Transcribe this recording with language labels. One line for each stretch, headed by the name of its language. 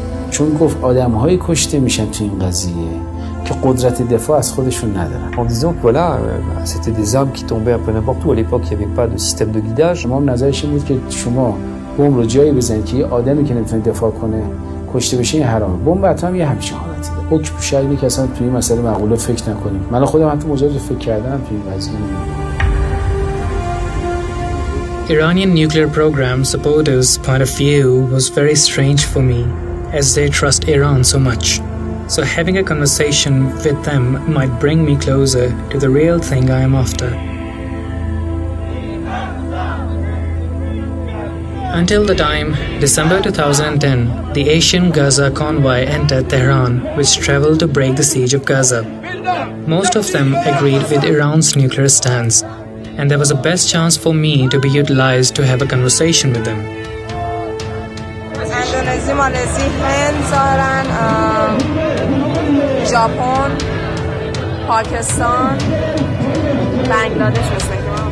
Persian: چون گفت آدم‌هایی کشته میشن تو این قضیه که قدرت دفاع از خودشون ندارن.
French: En disant que voilà, c'était des armes qui tombaient un peu n'importe où. À l'époque, il y avait pas de système de guidage.
Persian: ما نظرش این بود که شما بمب رو جایی بزنید که آدمی که نمیتونه دفاع کنه کشته بشه، این حرام. بمب اتم یه همچین حالتی داره. حکم شرعی که اصلا تو این مسئله معقوله فکر نکنیم. من خودم حتی مجاز فکر کردم تو این قضیه.
English: Iranian nuclear program supporters' point of view was very strange for me, as they trust Iran so much. So having a conversation with them might bring me closer to the real thing I am after. Until the time, December 2010, the Asian Gaza convoy entered Tehran, which traveled to break the siege of Gaza. Most of them agreed with Iran's nuclear stance, and there was a best chance for me to be utilized to have a conversation with them.
Persian: اندونزی، مالزی، هند، زارن، ژاپن، پاکستان، بنگلادش مثل که ما